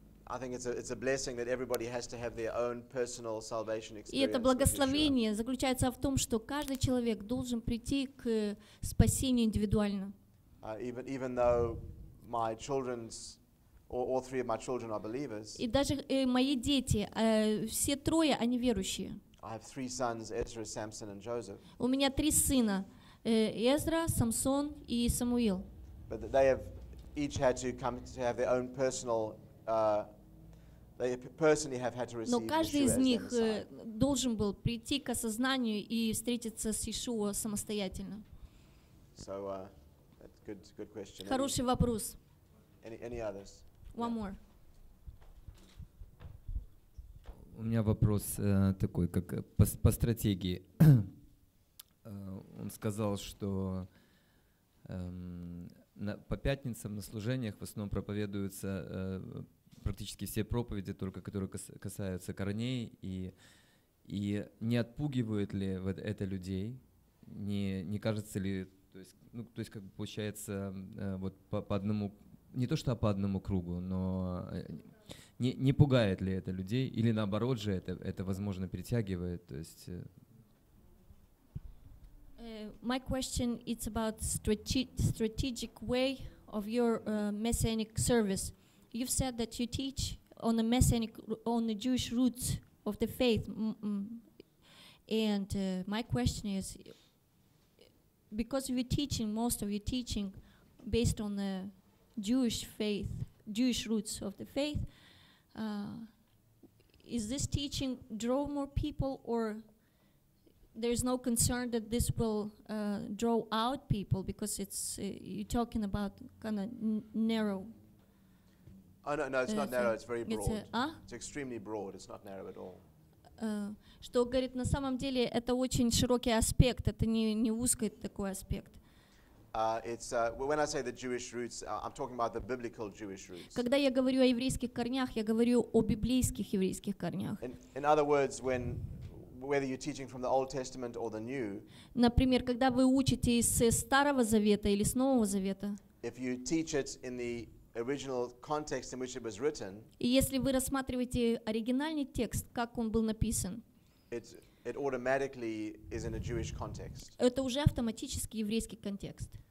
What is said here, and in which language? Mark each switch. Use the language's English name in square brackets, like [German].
[English] I think it's a blessing that everybody has to have their own personal salvation experience. [Russian] И это благословение заключается в том, что каждый человек должен прийти к спасению индивидуально. [English] Even though my children's all three of my children are believers. [Russian] И даже мои дети, все трое, они верующие. [English] I have three sons, Ezra, Samson, and Joseph. [Russian] У меня три сына, Эзра, Самсон и Самуил. [English] But they have each had to come to have their own personal they personally have had to receive. [Russian] Но каждый из них должен был прийти к осознанию и встретиться с Иешуа самостоятельно. [English] So that's good question. [Russian] Хороший вопрос. [English] Any others? One more. [Russian] У меня вопрос такой, как по стратегии. Он сказал, что по пятницам на служениях в основном проповедуются практически все проповеди, только которые касаются корней, и не отпугивает ли это людей, не кажется ли, то есть как бы получается вот по одному, не то что по одному кругу, но не пугает ли это людей, или наоборот же это возможно притягивает, то есть. [English] My question is about strategic way of your messianic service. You've said that you teach on the messianic, on the Jewish roots of the faith, and my question is, because you're teaching, most of your teaching, based on the Jewish faith, Jewish roots of the faith, Is this teaching draw more people, or there is no concern that this will draw out people because it's you're talking about kind of narrow? Oh no, no, it's not narrow. It's very broad. It's extremely broad. It's not narrow at all. [Russian] Что говорит на самом деле это очень широкий аспект. Это не узкий такой аспект. [English] When I say the Jewish roots, I'm talking about the biblical Jewish roots. [Russian] Когда я говорю о еврейских корнях, я говорю о библейских еврейских корнях. [English] In other words, whether you're teaching from the Old Testament or the New. [Russian] Например, когда вы учите из Старого Завета или с Нового Завета. [English] If you teach it in the original context in which it was written. [Russian] И если вы рассматриваете оригинальный текст, как он был написан. [English] It automatically is in a Jewish context. [Russian] Это уже автоматически еврейский контекст.